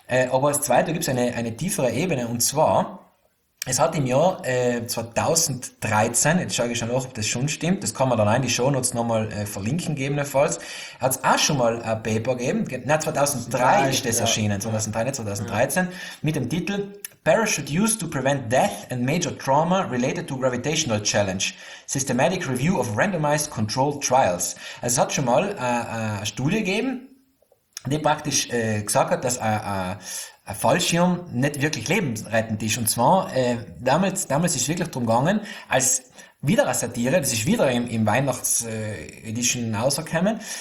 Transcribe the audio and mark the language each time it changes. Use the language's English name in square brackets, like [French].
[German] Aber als zweiter gibt es eine tiefere Ebene und zwar, es hat im Jahr 2013, jetzt schaue ich schon nach, ob das schon stimmt, das kann man dann in die Shownotes nochmal verlinken, gegebenenfalls, hat es auch schon mal ein Paper gegeben, na 2003 ist das erschienen, 2003, nicht 2013, mit dem Titel [English] Parachute used to prevent death and major trauma related to gravitational challenge. Systematic review of randomized controlled trials. [German] Es hat schon mal eine Studie gegeben, die praktisch gesagt hat, dass ein Fallschirm nicht wirklich lebensrettend ist. Und zwar, damals ist es wirklich darum gegangen, als wieder eine Satire, das ist wieder im Weihnachts-Edition rausgekommen.